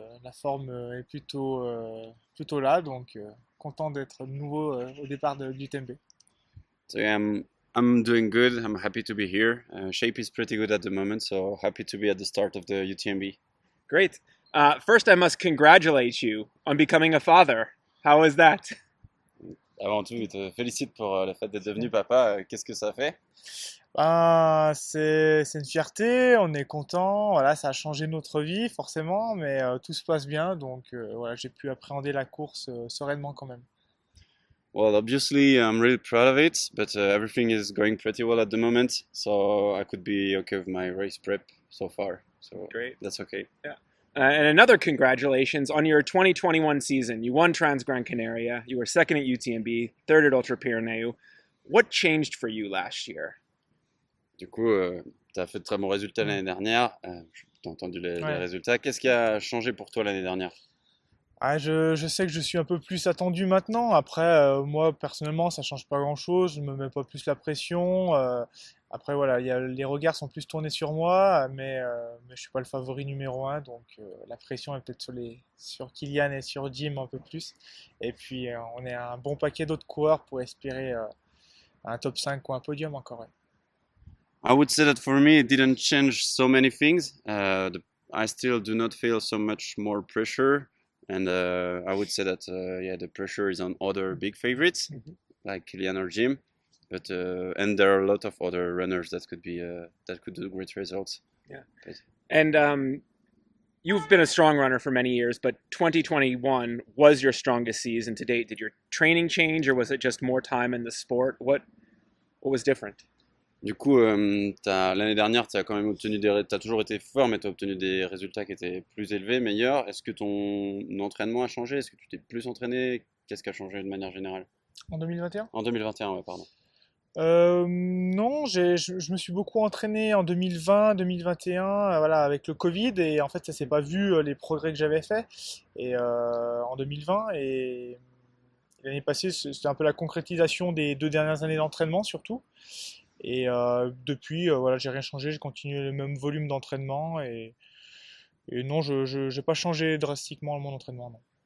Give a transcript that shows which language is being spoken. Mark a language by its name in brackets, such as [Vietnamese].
[French] La forme est plutôt là, donc content d'être nouveau au départ de l'UTMB. [English] So yeah, I'm doing good. I'm happy to be here. Shape is pretty good at the moment, so happy to be at the start of the UTMB. Great. First, I must congratulate you on becoming a father. How is that? [French] Avant tout, je te félicite pour le fait d'être devenu papa. Qu'est-ce que ça fait? C'est une fierté, on est content. Voilà, ça a changé notre vie, forcément, mais tout se passe bien. Donc, voilà, j'ai pu appréhender la course sereinement quand même. [English] Well, obviously, I'm really proud of it, but everything is going pretty well at the moment. So, I could be okay with my race prep so far. So, great. That's okay. Yeah. And another congratulations on your 2021 season. You won Trans Gran Canaria, you were second at UTMB, third at Ultra Pyrénées. What changed for you last year? [French] Du coup, tu as fait de très bons résultats l'année dernière. T'as entendu les résultats. Qu'est-ce qui a changé pour toi l'année dernière? Je sais que je suis un peu plus attendu maintenant. Après, moi, personnellement, ça change pas grand-chose. Je me mets pas plus la pression. Après, voilà, les regards sont plus tournés sur moi, mais je suis pas le favori numéro un, donc la pression est peut-être sur Kylian et sur Jim un peu plus. Et puis, on est un bon paquet d'autres coureurs pour espérer un top 5 ou un podium encore. Ouais. [English] I would say that for me, it didn't change so many things. I still do not feel so much more pressure. And I would say that, yeah, the pressure is on other big favorites, like Kylian or Jim. But and there are a lot of other runners that could be that could do great results. Yeah. But. And you've been a strong runner for many years, but 2021 was your strongest season to date. Did your training change, or was it just more time in the sport? What was different? [French] Du coup, l'année dernière, t'as quand même obtenu t'as toujours été fort, mais t'as obtenu des résultats qui étaient plus élevés, meilleurs. Est-ce que ton entraînement a changé? Est-ce que tu t'es plus entraîné? Qu'est-ce qui a changé de manière générale? En 2021? En 2021, ouais, pardon. Non, je me suis beaucoup entraîné en 2020, 2021, voilà, avec le Covid, et en fait ça s'est pas vu les progrès que j'avais fait en 2020, et l'année passée c'était un peu la concrétisation des deux dernières années d'entraînement surtout, et depuis voilà, j'ai rien changé, j'ai continué le même volume d'entraînement, et non, je n'ai pas changé drastiquement mon entraînement, non.